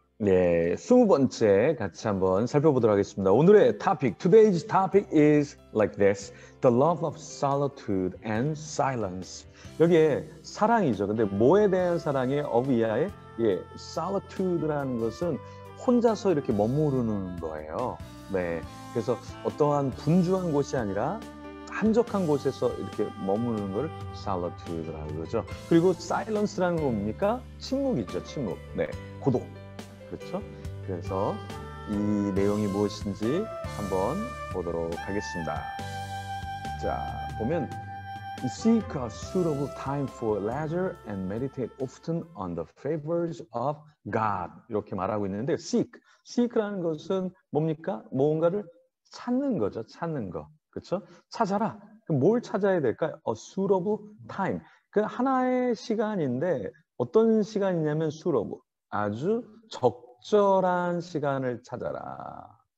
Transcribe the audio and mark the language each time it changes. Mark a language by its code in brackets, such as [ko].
[ko] 네, 20번째 같이 한번 살펴보도록 하겠습니다. 오늘의 [en] topic, today's topic is like this. The love of solitude and silence. [ko] 여기에 사랑이죠. 근데 뭐에 대한 사랑이 of 이하에? 예, solitude라는 것은 혼자서 이렇게 머무르는 거예요. 네, 그래서 어떠한 분주한 곳이 아니라 한적한 곳에서 이렇게 머무는 걸 solitude라고 그러죠. 그리고 silence라는 건 뭡니까? 침묵이죠, 침묵. 네, 고독. 그렇죠? 그래서 이 내용이 무엇인지 한번 보도록 하겠습니다. 자, 보면 [en] Seek a suitable time for leisure and meditate often on the favors of God. [ko] 이렇게 말하고 있는데 Seek라는 것은 뭡니까? 뭔가를 찾는 거죠, 찾는 거. 그렇죠? 찾아라. 그럼 뭘 찾아야 될까요? [en] A suitable time. [ko] 그 하나의 시간인데 어떤 시간이냐면 suitable. 아주 적절한 시간을 찾아라.